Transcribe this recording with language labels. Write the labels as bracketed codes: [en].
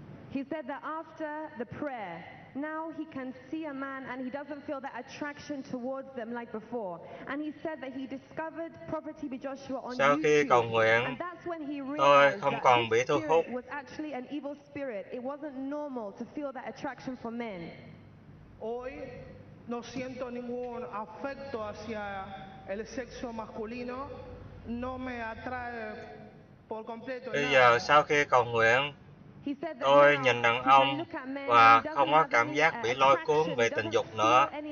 [en] He said that after the prayer, now he can see a man and he doesn't feel that attraction towards them like before. And he said that he discovered Prophet TB Joshua on [vi] YouTube. Sau khi cầu nguyện, tôi không còn bị thu hút. [en] Was actually an evil spirit. It wasn't normal to feel that attraction for men. [es] Hoy no siento ningún afecto hacia el sexo masculino. No me atrae por completo. [vi] Bây giờ sau khi cầu nguyện, tôi nhìn đàn ông và không có cảm giác bị lôi cuốn về tình dục nữa.